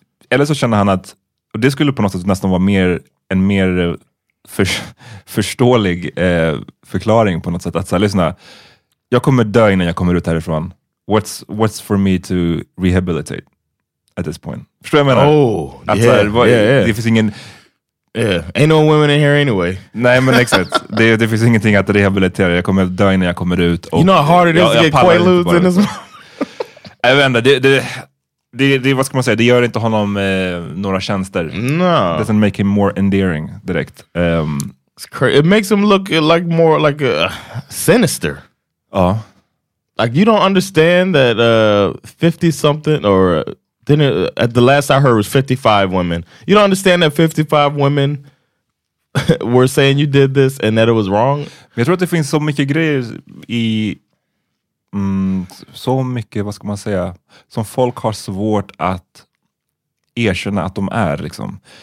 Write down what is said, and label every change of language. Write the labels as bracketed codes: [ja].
[sv] Eller så känner han att, och det skulle på något sätt nästan vara en mer förståelig förklaring på något sätt, att så här, lyssna, jag kommer dö innan jag kommer ut härifrån. [en] What's for me to rehabilitate at this point? [sv] Förstår jag vad jag menar? Det finns ingen... [en] Yeah. Ain't no women in here anyway. [sv] Nej, men exakt. Det finns ingenting att rehabilitera. Jag kommer dö innan jag kommer ut. [en] Och, you know how hard it is to get quaaludes in this moment? [sv] Jag vet inte, det vad ska man säga, det gör inte honom några tjänster. [en] No. Doesn't make him more endearing direkt. It makes him look like more like a sinister. Oh. Like you don't understand that 50 something or then at the last I heard was 55 women. You don't understand that 55 women were saying you did this and that it was wrong. [sv] Jag tror att det finns så mycket grejer i så mycket, vad ska man säga, som folk har svårt att erkänna att de är liksom.